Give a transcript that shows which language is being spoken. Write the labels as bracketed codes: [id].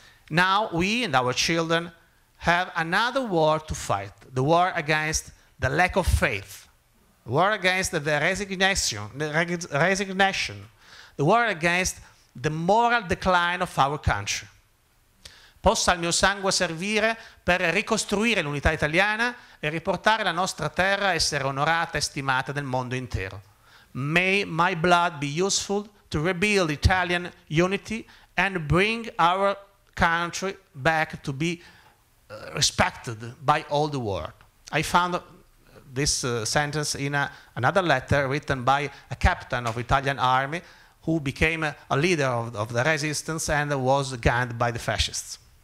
[en] Now we and our children have another war to fight, the war against the lack of faith, the war against the resignation, the war against the moral decline of our country. [it] Possa il mio sangue servire per ricostruire l'unità italiana e riportare la nostra terra a essere onorata e stimata nel mondo intero. [en] May my blood be useful to rebuild Italian unity and bring our country back to be respected by all the world." I found this sentence in another letter written by a captain of Italian army who became a leader of the resistance and was gunned by the fascists.